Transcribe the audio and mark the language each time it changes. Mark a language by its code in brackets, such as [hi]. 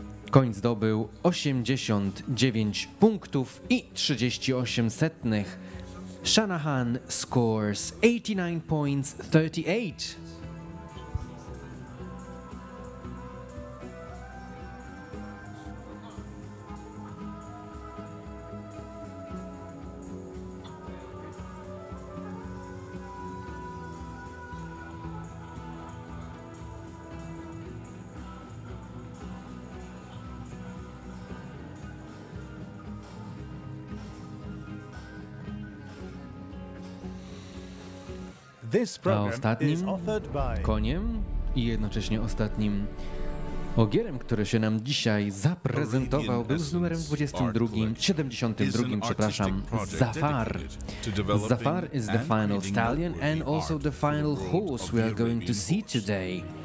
[pl] Koń zdobył 89 punktów i 38 setnych. [en] Shanahan scores 89 points, 38. [pl] A ostatnim koniem i jednocześnie ostatnim ogierem, który się nam dzisiaj zaprezentował, był z numerem 72, przepraszam, Zafar. [en] Zafar is the final stallion and also the final horse we are going to see today.